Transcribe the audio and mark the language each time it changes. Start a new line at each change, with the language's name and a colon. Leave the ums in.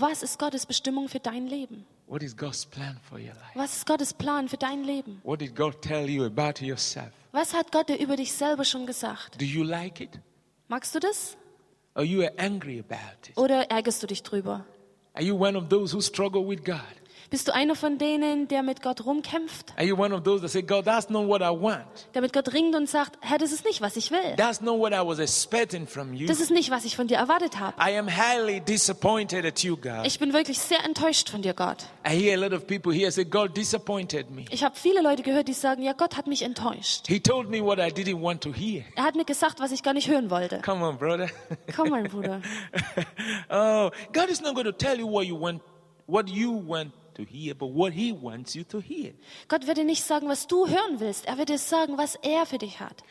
German: was ist Gottes Bestimmung für dein Leben? Was ist Gottes Plan für dein Leben? Was hat Gott dir über dich selber schon gesagt? Magst du das?
English: You are you angry about it?
German: Oder ärgerst du dich darüber?
English: Are you one of those who struggle with God?
German: Bist du einer von denen, der mit Gott rumkämpft?
English: Are you one of those that say, God, that's not what I want?
German: Der mit Gott ringt und sagt, Herr, das ist nicht, was ich will.
English: That's not what I was expecting from you.
German: Das ist nicht, was ich von dir erwartet habe.
English: I am highly disappointed at you, God.
German: Ich bin wirklich sehr enttäuscht von dir, Gott.
English: I hear a lot of people here say, God disappointed me.
German: Ich habe viele Leute gehört, die sagen, ja, Gott hat mich enttäuscht.
English: He told me what I didn't want to hear.
German: Er hat mir gesagt, was ich gar nicht hören wollte.
English: Come on, brother. Come on, Bruder. oh, God is not going to tell you what you want. What you want To hear, but what he wants you to hear.
German: Gott würde nicht sagen, was du hören willst. Er würde dir sagen, was er für dich hat.